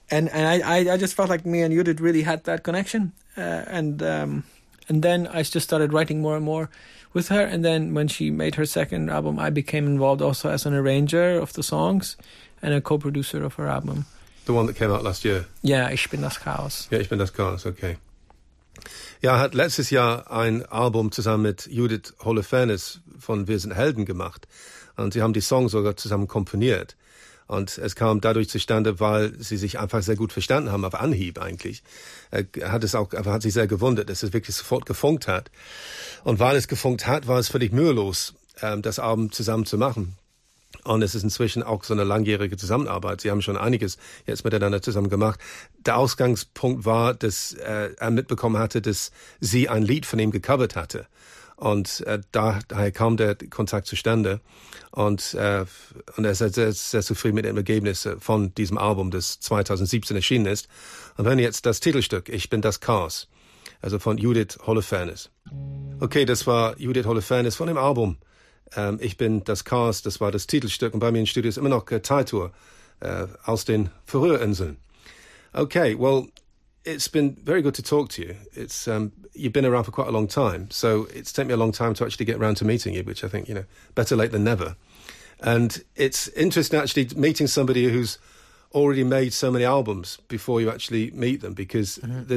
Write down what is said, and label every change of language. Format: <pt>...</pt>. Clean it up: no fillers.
<en>And I just felt like me and Judith really had that connection. And then I just started writing more and more with her. And then when she made her second album, I became involved also as an arranger of the songs and a co-producer of her album. The one that came out last year? Yeah, Ich bin das Chaos.</en> <de>Yeah, Ich bin das Chaos, okay. Ja, er hat letztes Jahr ein Album zusammen mit Judith Holofernes von Wir sind Helden gemacht. Und sie haben die Songs sogar zusammen komponiert. Und es kam dadurch zustande, weil sie sich einfach sehr gut verstanden haben, auf Anhieb eigentlich. Er hat sich sehr gewundert, dass es wirklich sofort gefunkt hat. Und weil es gefunkt hat, war es völlig mühelos, das Album zusammen zu machen. Und es ist inzwischen auch so eine langjährige Zusammenarbeit. Sie haben schon einiges jetzt miteinander zusammen gemacht. Der Ausgangspunkt war, dass er mitbekommen hatte, dass sie ein Lied von ihm gecovert hatte. Und daher kam der Kontakt zustande. Und er ist sehr, sehr zufrieden mit dem Ergebnis von diesem Album, das 2017 erschienen ist. Und hören jetzt das Titelstück, Ich bin das Chaos, also von Judith Holofernes. Okay, das war Judith Holofernes von dem Album. Ich bin das Chaos, das war das Titelstück und bei mir im Studio ist immer noch Taitour aus den Färöerinseln.</de> <en>Okay, well, it's been very good to talk to you. You've been around for quite a long time, so it's taken me a long time to actually get around to meeting you, which I think, you know, better late than never. And it's interesting actually meeting somebody who's already made so many albums before you actually meet them, because mm-hmm.</en>